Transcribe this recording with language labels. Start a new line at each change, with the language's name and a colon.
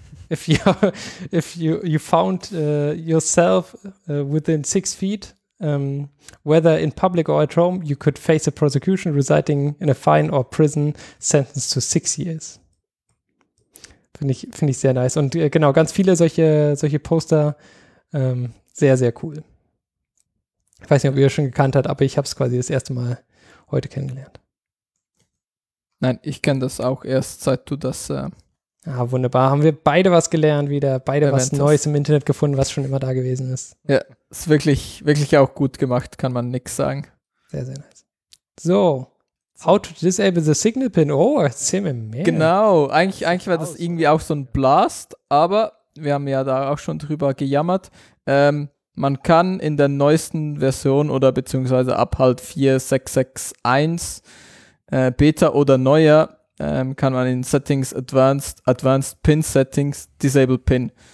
English: If you found yourself within 6 feet, whether in public or at home, you could face a prosecution resulting in a fine or prison sentence to 6 years.
German: Finde ich sehr nice. Und genau, ganz viele solche Poster, sehr, sehr cool. Ich weiß nicht, ob ihr es schon gekannt habt, aber ich habe es quasi das erste Mal heute kennengelernt. Nein, ich kenne das auch erst, seit du das Wunderbar. Haben wir beide was gelernt wieder, beide was Neues im Internet gefunden, was schon immer da gewesen ist. Ja, ist wirklich, wirklich auch gut gemacht, kann man nichts sagen. Sehr, sehr nice.
English: So, how to disable the signal pin.
German: Oh, erzähl mir mehr. Genau, eigentlich war das irgendwie auch so ein Blast, aber wir haben ja da auch schon drüber gejammert. Man kann in der neuesten Version oder beziehungsweise ab halt 4.6.6.1 Beta oder neuer kann man in Settings Advanced Pin Settings Disable Pin.